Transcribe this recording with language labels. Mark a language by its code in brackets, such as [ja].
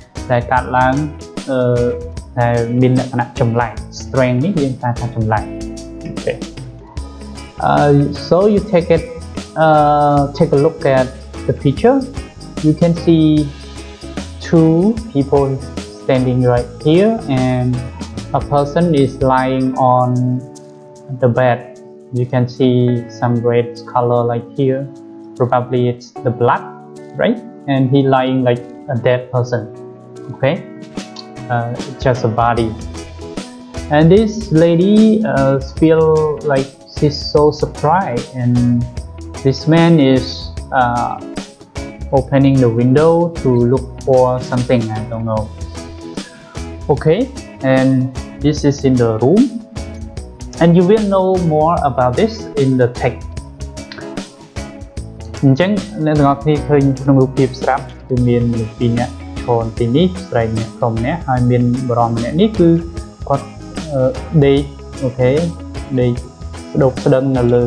[km] ដែលកើតឡើងដែលមានលក្ខណៈចម្លែក strange នេះយើងប្រែថាចម្លែក [en] okay. So you take it take a look at the picture. You can see two peoplestanding right here and a person is lying on the bed. You can see some red color like here. Probably it's the blood, right? And he lying like a dead person. Okay? Just a body. And this lady feel like she's so surprised and this man is opening the window to look for something. I don't know. Okay, and this is in the room, and you will know more about this in the text. [km] អញ្ចឹងអ្នកទាំងអស់គ្នាឃើញក្នុងរូបភាពស្រាប់គឺមានមនុស្សពីរនាក់ឈរទីនេះស្រីម្នាក់ក្រុមម្នាក់ហើយមានបរិមម្នាក់នេះគឺគាត់ដេកអូខេដេកស្ដុកស្ដឹងនៅ